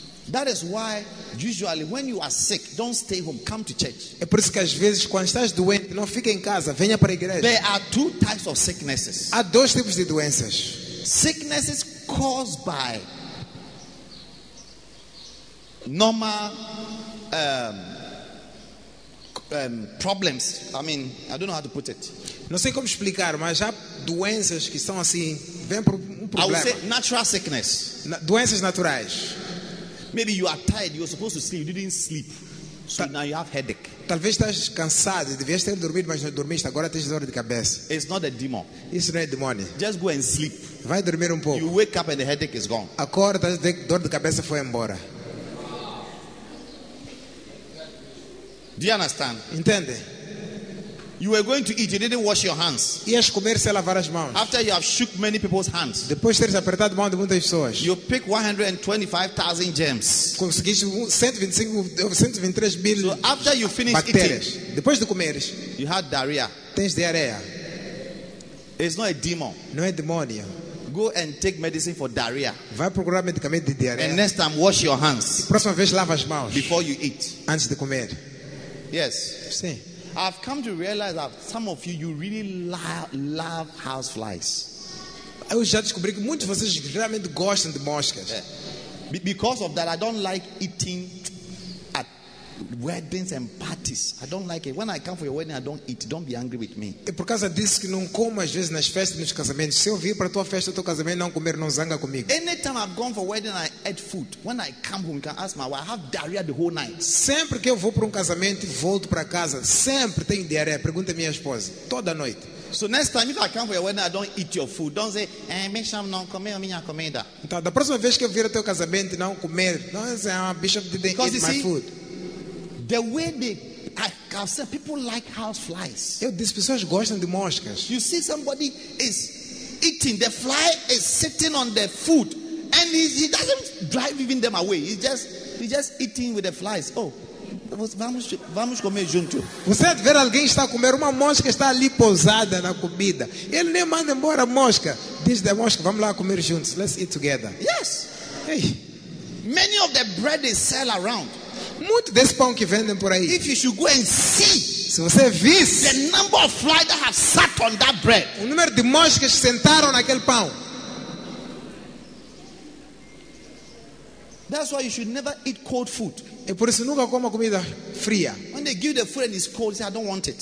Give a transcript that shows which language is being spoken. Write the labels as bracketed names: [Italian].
[English] That is why usually when you are sick, don't stay home. Come to church. [Portuguese] É por isso que às vezes quando estás doente, não fique em casa. Venha para a igreja. [English] There are two types of sicknesses. [Portuguese] Há dois tipos de doenças. [English] Sicknesses caused by normal problems. I mean, I don't know how to put it. [Portuguese] Não sei como explicar, mas há doenças que são assim, vêm por um problema. [English] I would say natural sickness. [Portuguese] Doenças naturais. [English] Maybe you are tired, you were supposed to sleep, you didn't sleep. So now you have headache. [Portuguese] Talvez estás cansado, devias ter dormido, mas não dormiste, agora tens dor de cabeça. [English] It's not a demon. [Portuguese] Isso não é demônio. [English] Just go and sleep. [Portuguese] Vai dormir um pouco. [English] You wake up and the headache is gone. [Portuguese] Acorda, a dor de cabeça foi embora. [English] Do you understand? [Portuguese] Entende? [English] You were going to eat, you didn't wash your hands. [Portuguese] Ias comer sem lavar as mãos. [English] After you have shook many people's hands. [Portuguese] Depois teres apertado a mão de muitas pessoas. [English] You pick 125,000 germs. [Portuguese] Conseguiste 123,000. [English] So after you finish [Portuguese] bactérias, [English] eating, [Portuguese] depois de comeres, [English] you had diarrhea. [Portuguese] Tens diarreia. [English] It's not a demon. [Portuguese] Não é demônio. [English] Go and take medicine for diarrhea. [Portuguese] Vai procurar medicamento de diarreia. [English] And next time wash your hands. [Portuguese] E próxima vez lava as mãos. [English] Before you eat. [Portuguese] Antes de comer. [English] Yes. [Portuguese] Sim. [English] I've come to realize that some of you really love house flies. [Portuguese] Eu já descobri que muitos de vocês realmente gostam de moscas. [English] Because of that, I don't like eating at weddings and parties. I don't like it. When I come for your wedding, I don't eat. Don't be angry with me. [Portuguese] E por causa disso que não como às vezes nas festas, nos casamentos. Se eu vir para tua festa, teu casamento, não comer, não zanga comigo. [English] Anytime I've gone for wedding, I ate food. When I come home, you can ask my wife. I have diarrhea the whole night. [Portuguese] Sempre que eu vou para casamento e volto para casa, sempre tenho diarreia. Pergunta a minha esposa. Toda noite. [English] So next time if I come for your wedding, I don't eat your food. Don't say, [Portuguese] me chamo não comer a minha comida. Então, da próxima vez que eu vir ao teu casamento, não comer. [English] Don't say, Bishop didn't because eat my see, food. The way they, I've said, people like house flies. [Portuguese] Eu disse, pessoas gostam de moscas. [English] You see somebody is eating, the fly is sitting on the food, and he doesn't drive even them away. He's just eating with the flies. Oh. [Portuguese] Vamos comer junto. Você é de ver alguém está a comer, uma mosca está ali pousada na comida. Ele nem manda embora a mosca. Diz da mosca, vamos lá comer juntos. [English] Let's eat together. Yes. Hey. Many of the bread they sell around. [Portuguese] Muito desse pão que vendem por aí. [English] If you should go and see. [Portuguese] Se você visse. [English] The number of flies that have sat on that bread. [Portuguese] O número de moscas que sentaram naquele pão. [English] That's why you should never eat cold food. [Portuguese] E por isso nunca coma comida fria. [English] When they give the food and it's cold, say I don't want it.